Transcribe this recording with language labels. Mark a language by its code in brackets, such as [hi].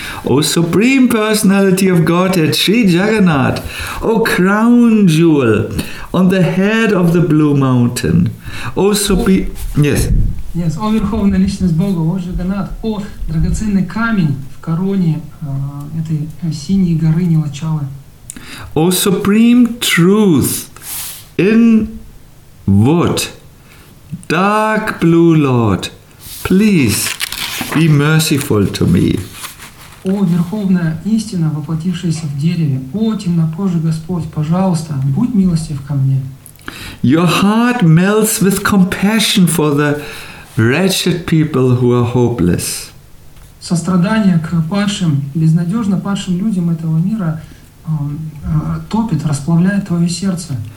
[en] O Supreme Personality of Godhead, Sri Jagannath, O Crown Jewel on the head of the Blue Mountain, O Supreme... Yes. [ru] Yes, O Верховная Личность Бога, O Jagannath, O Драгоценный Камень в короне этой синей горы Нилачалы. [en] O Supreme Truth in wood, Dark Blue Lord, please be merciful to me. [ru] О, Верховная Истина, воплотившаяся в дереве, о, темнокожий Господь, пожалуйста, будь милостив ко мне. [en] Your heart melts with compassion for the wretched people who are hopeless. [ru] Сострадание к падшим, безнадежно падшим людям этого мира топит, расплавляет твое сердце.